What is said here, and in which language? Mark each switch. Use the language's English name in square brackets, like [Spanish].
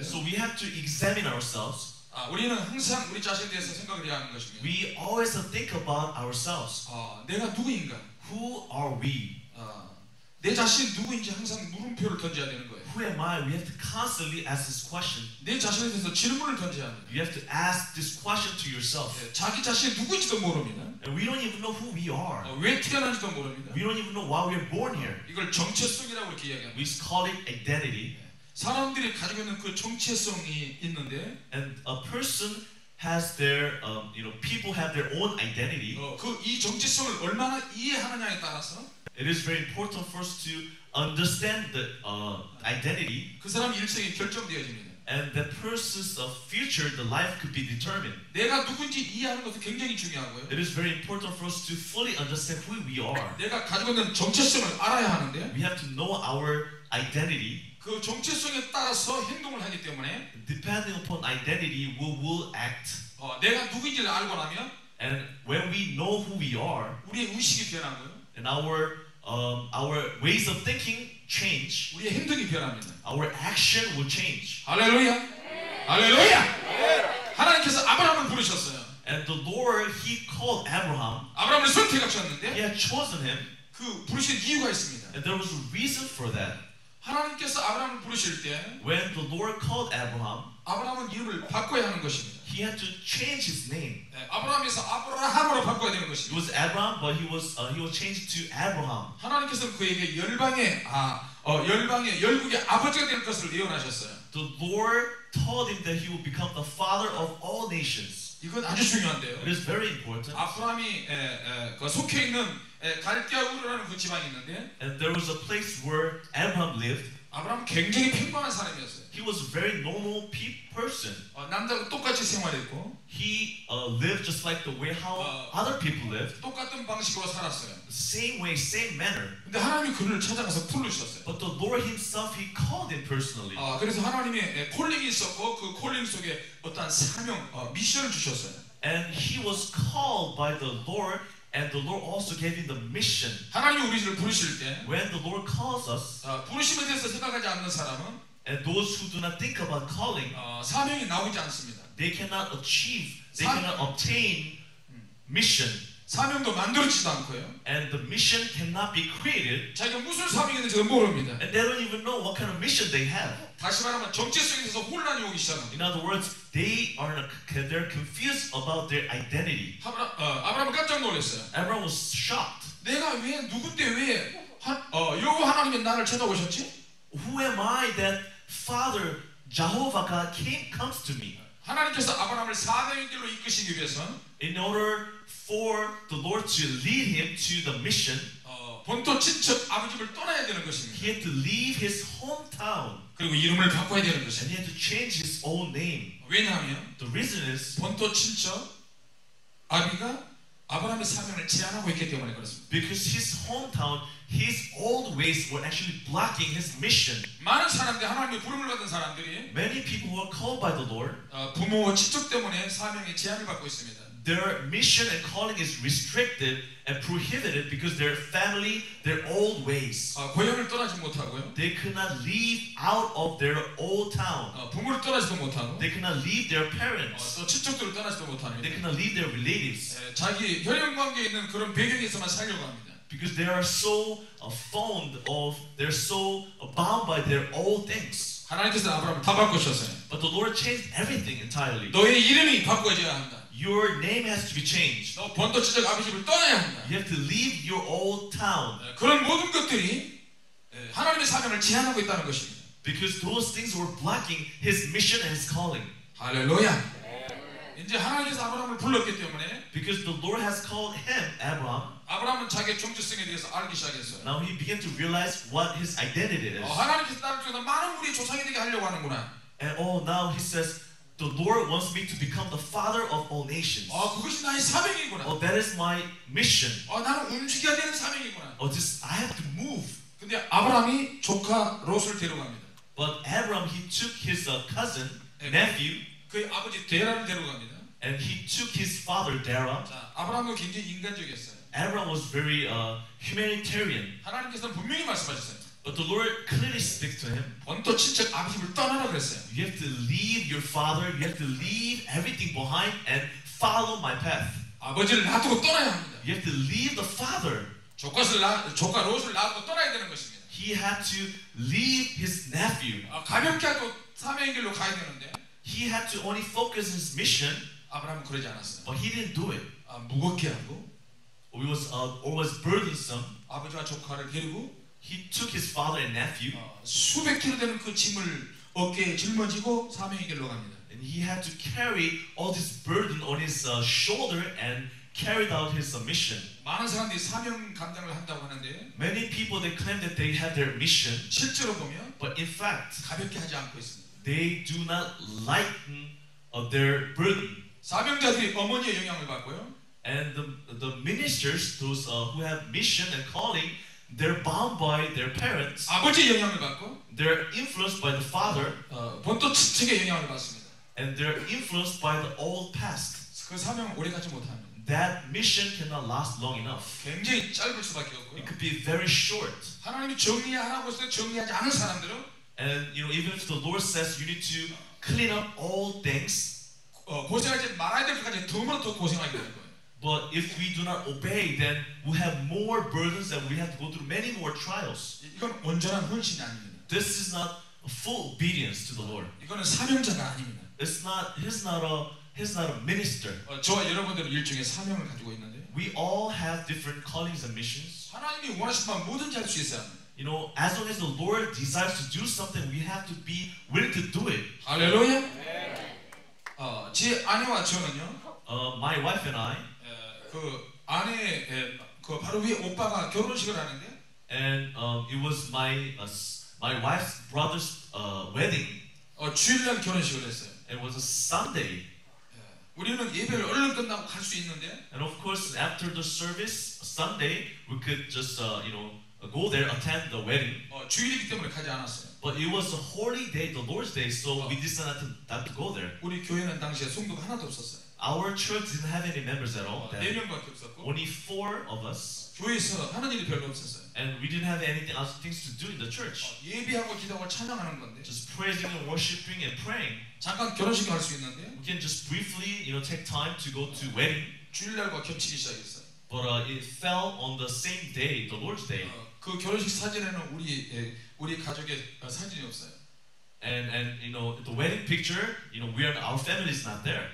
[English] So we have to examine ourselves. [Korean] 우리는 항상 우리 자신에 대해서 생각을 해야 하는 것입니다. [English] We always think about ourselves. [Korean] 내가 누구인가? [English] Who are we? [Korean] 내 자신이 누구인지 항상 물음표를 던져야 되는 거예요. [English] Who am I? We have to constantly ask this question. [Korean] 내 자신에 대해서 질문을 던져야 합니다. [English] You have to ask this question to yourself. [Korean] 자기 자신이 누구인지도 모릅니다. [English] And we don't even know who we are. [Korean] 왜 태어난지도 모릅니다. [English] We don't even know why we are born here. [Korean] 이걸 정체성이라고 이렇게 이야기합니다. [English] We call it identity. [Korean] 사람들이 가지고 있는 그 정체성이 있는데 [English] and a person has their you know people have their own identity. [Korean] 그 이 정체성을 얼마나 이해하느냐에 따라서 [English] it is very important for us to understand the identity. [Korean] 그 사람 일생이 결정되어집니다. [English] And the person's future, the life could be determined. [Korean] 내가 누군지 이해하는 것도 굉장히 중요한 거예요. [English] It is very important for us to fully understand who we are. [Korean] 내가 가지고 있는 정체성을 알아야 하는데. [English] We have to know our identity. [Korean] 그 정체성에 따라서 행동을 하기 때문에. [English] Depending upon identity, we will act. [Korean] 내가 누군지를 알고 나면. [English] And when we know who we are, [Korean] 우리의 의식이 변한 거예요. [English] And our ways of thinking. Change. [Korean] 우리의 행동이 변합니다. [English] Our action will change. [Korean] 할렐루야. 할렐루야. 하나님께서 아브라함을 부르셨어요. [English] And the Lord He called Abraham. [Korean] 아브라함을 선택하셨는데. [English] He had chosen him. [Korean] 그 부르신 이유가 있습니다. [English] And there was a reason for that. [Korean] 하나님께서 아브라함을 부르실 때. [English] When the Lord called Abraham. [Korean] 아브라함은 이름을 바꿔야 하는 것입니다. [English] He had to change his name. [Korean] 아브라함에서 아브라함으로 바꿔야 되는 것이. [English] It was Abraham, but he was changed to Abraham. [Korean] 하나님께서 그에게 열방의 열국의 아버지가 될 것을 예언하셨어요. [English] The Lord told him that he would become the father of all nations. [Korean] 이건 아주 중요한데요. [English] It is very important. [Korean] 아브라함이 그 속해 있는 갈대아우르라는 그 지방이 있는데. [English] And there was a place where Abraham lived. [Korean] 아브라함 굉장히 평범한 사람이었어요. [English] He was a very normal person. [Korean] 남들과 똑같이 생활했고. [English] He lived just like the way how other people lived. [Korean] 똑같은 방식으로 살았어요. [English] Same way, same manner. [Korean] 근데 하나님 그를 찾아가서 부르셨어요. [English] But the Lord Himself, He called him personally. [Korean] 그래서 하나님이 콜링이 있었고 그 콜링 속에 어떤 사명, 미션을 주셨어요. [English] And he was called by the Lord, and the Lord also gave him the mission. [Korean] 하나님 우리를 부르실 때, [English] when the Lord calls us, [Korean] 부르심에 대해서 생각하지 않는 사람은, [English] and those who do not think about calling, [Korean] 사명이 나오지 않습니다. [English] They cannot achieve, they cannot obtain mission. [Korean] 사명도 만들어지지 않고요. [English] And the mission cannot be created. [Korean] 자기가 무슨 사명인지도 모릅니다. [English] And they don't even know what kind of mission they have. [Korean] 다시 말하면 정체성에서 혼란이 오기 시작합니다. [English] In other words, they're confused about their identity. [Korean] 아브라함은 깜짝 놀랐어요. [English] Abraham was shocked. [Korean] 내가 왜 누군데 왜 여호와 하나님이 나를 찾아오셨지? [English] Who am I that Father Jehovah God comes to me? [Korean] 하나님께서 아브라함을 사명의 길로 이끄시기 위해서. [English] In order for the Lord to lead him to the mission. [Korean] 본토 친척 아버지를 떠나야 되는 것입니다. [English] He had to leave his hometown. [Korean] 그리고 이름을 바꿔야 되는 것입니다. [English] And he had to change his own name. [Korean] 왜냐하면 [English] the reason is [Korean] 본토 친척 아비가 아브라함의 사명을 제한하고 있기 때문에 그렇습니다. [English] Because his hometown, his old ways were actually blocking his mission. [Korean] 많은 사람들이 하나님의 부름을 받은 사람들이 [English] many people were called by the Lord. [Korean] 부모와 친척 때문에 사명의 제한을 받고 있습니다. [English] Their mission and calling is restricted and prohibited because their family, their old ways. [Korean] 고향을 떠나지 못하고요. [English] They could not leave out of their old town. [Korean] 부모를 떠나지도 못하고. [English] They could not leave their parents. [Korean] 또 친척들을 떠나지도 못합니다. [English] They could not leave their relatives. [Korean] 자기 혈연 관계에 있는 그런 배경에서만 살려고 합니다. [English] Because they are so fond of, they're so bound by their old things. [Korean] 하나님께서 아브라함을 다 바꾸셨어요. [English] But the Lord changed everything entirely. [Korean] 너의 이름이 바꿔져야 한다. [English] Your name has to be changed. [Korean] 너 본토 친척 아버지를 떠나야 한다. [English] You have to leave your old town. [Korean] 그런 모든 것들이 하나님의 사명을 제한하고 있다는 것입니다. [English] Because those things were blocking his mission and his calling. [Korean] 할렐루야. 이제 하나님께서 아브라함을 불렀기 때문에 [English] because the Lord has called him Abraham. [Korean] 아브라함은 자기의 정체성에 대해서 알기 시작했어요. [English] Now he began to realize what his identity is. [Korean] 하나님께서 나를 통해서 많은 우리의 조상이 되게 하려고 하는구나. [English] And oh, now he says the Lord wants me to become the father of all nations. [Korean] 그것이 나의 사명이구나. [English] Oh, that is my mission. [Korean] 나는 움직여야 되는 사명이구나. [English] Oh, just I have to move. [Korean] 근데 아브라함이 조카 롯을 데려갑니다. [English] But Abraham he took his cousin nephew. [Korean] 그의 아버지 데라를 데려갑니다. [English] And he took his father Dara. [Korean] 아브라함은 굉장히 인간적이었어요. [English] Abraham was very humanitarian. [Korean] 하나님께서는 분명히 말씀하셨어요. [English] But the Lord clearly speaks to him. [Korean] 본토 친척 아버지를 떠나라 그랬어요. [English] You have to leave your father. You have to leave everything behind and follow my path. [Korean] 아버지를 놔두고 떠나야 합니다. [English] You have to leave the father. [Korean] 조카 롯을 놔두고 떠나야 되는 것입니다. [English] He had to leave his nephew. [Korean] 가볍게 하고 사명의 길로 가야 되는데. [English] He had to only focus his mission. [Korean] 아브라함은 그러지 않았어요. [English] But he didn't do it. [Korean] 무겁게 하고. [English] It was always burdensome. [Korean] 아버지와 조카를 데리고. [English] He took his father and nephew. [Korean] 수백 킬로 되는 그 짐을 어깨에 짊어지고 사명의 길로 갑니다. [English] And he had to carry all this burden on his shoulder and carried out his mission. [Korean] 많은 사람들이 사명 감당을 한다고 하는데. [English] Many people they claim that they had their mission. [Korean] 실제로 보면, [English] but in fact, [Korean] 가볍게 하지 않고 있습니다. [English] they do not lighten of their burden. [Korean] 사명자들이 어머니의 영향을 받고요. [English] And the ministers, those who have mission and calling, they're bound by their parents. [Korean] 아버지의 영향을 받고. [English] They're influenced by the father. [Korean] 본토 측의 영향을 받습니다. [English] And they're influenced by the old past. [Korean] 그 사명 오래 가지 못합니다. [English] That mission cannot last long enough. [Korean] 굉장히 짧을 수밖에 없고요. [English] It could be very short. [Korean] 하나님이 정리하라고 해서 정리하지 않은 사람들은. [English] And you know, even if the Lord says you need to clean up all things, [Korean] 고생하지 말아야 될 것까지 더 고생하게 되는 거예요. [English] But if we do not obey, then we have more burdens and we have to go through many more trials. [Korean] 이건 온전한 헌신이 아닙니다. [English] This is not full obedience to the Lord. [Korean] 이거는 사명자가 아닙니다. [English] It's not. He's not a minister. [Korean] 저와 여러분들은 일종의 사명을 가지고 있는데. [English] We all have different callings and missions. [Korean] 하나님이 원하시면 뭐든지 할 수 있어요. [English] You know, as long as the Lord desires to do something, we have to be willing to do it. [Korean] Hallelujah. 제 아내와 저는요. [English] My wife and I. [Korean] 그 아내 그 바로 위에 오빠가 결혼식을 하는데. [English] And it was my wife's brother's wedding. [Korean] 주일날 결혼식을 했어요. [English] It was a Sunday. [Korean] 우리는 예배를 얼른 끝나고 갈 수 있는데. [English] And of course, after the service Sunday, we could just go there, attend the wedding. [Korean] 주일이기 때문에 가지 않았어요. [English] But it was a holy day, the Lord's day, so we decided not to go there. [Korean] 우리 교회는 당시에 성도 하나도 없었어요. [English] Our church didn't have any members at all. [Korean] 네 명밖에 없었고. [English] Only four of us. [Korean] 교회에서 하는 일이 별로 없었어요. [English] And we didn't have anything else things to do in the church. [Korean] 예배하고 기도하고 찬양하는 건데. [English] Just praising and worshiping and praying. [Korean] 잠깐 결혼식 갈 수 있는데. [English] We can just briefly, take time to go to wedding. [Korean] 주일날과 겹치기 시작했어요. [English] But it fell on the same day, the Lord's day. [Korean] 그 결혼식 사진에는 우리 가족의 사진이 없어요. [English] And the wedding picture, we are our family is not there.